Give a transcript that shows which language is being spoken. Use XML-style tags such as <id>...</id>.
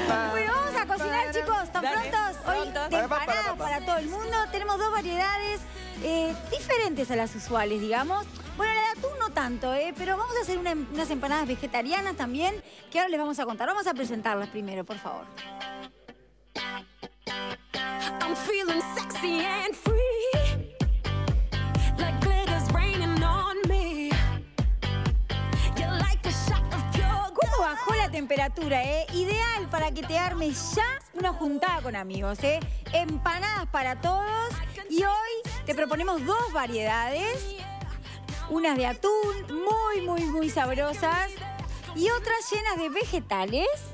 <es>Bueno, vamos a cocinar, chicos. ¿Están prontos? Hoy, temporada para todo el mundo. Tenemos dos variedades diferentes a las usuales, digamos. Bueno, la de atún no tanto, pero vamos a hacer unas empanadas vegetarianas también, que ahora les vamos a contar. Vamos a presentarlas primero, por favor.</es> <en>I'm feeling sexy and free. Like glitter's raining on me. You're like a shot of pure gold.</en> <es>¿Cómo bajó la temperatura, eh? Ideal para que te armes ya una juntada con amigos, eh. Empanadas para todos. Y hoy te proponemos dos variedades. Unas de atún, muy, muy, muy sabrosas. Y otras llenas de vegetales.</es>